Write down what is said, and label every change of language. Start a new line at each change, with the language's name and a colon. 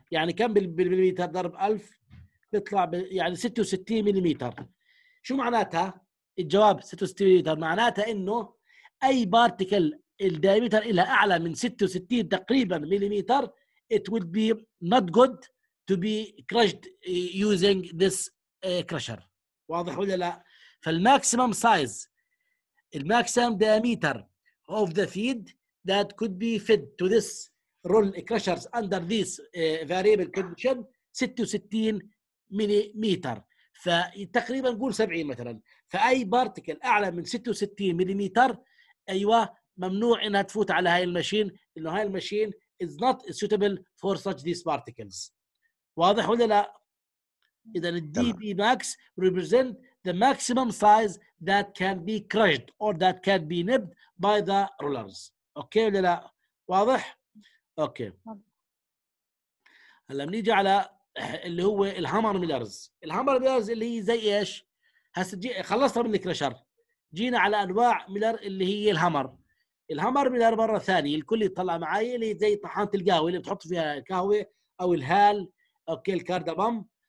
Arabic: يعني كم بالمليمتر ضرب 1000؟ بيطلع يعني 66 مليمتر. شو معناتها الجواب 66 مليمتر؟ معناتها انه اي بارتكل الدايمتر الها اعلى من 66 تقريبا مليمتر
English: it would be not good to be crushed using this crusher.
Arabic: واضح ولا لا؟
English: فالماكسيمم سايز الماكسيمم diameter of the feed that could be fed to this roll crushers under this variable condition 66 مليمتر.
Arabic: فتقريبا نقول 70 مثلا. فاي بارتكل اعلى من 66 مليمتر ايوه ممنوع انها تفوت على هاي الماشين، انه هاي الماشين
English: is not suitable for such these particles.
Arabic: واضح ولا لا؟ اذا الدي بي ماكس
English: represent the maximum size that can be crushed or that can be nipped by the rollers.
Arabic: اوكي ولا لا؟ واضح؟ اوكي. هلا بنيجي على اللي هو الهامر ميلرز. الهامر ميلرز اللي هي زي ايش؟ هسه خلصنا من الكرشر، جينا على انواع ميلر اللي هي الهامر. الهامر ميلر مرة ثانية الكل يطلع معي اللي زي طحانة القهوة اللي بتحط فيها قهوة او الهال، اوكي الكاردابام.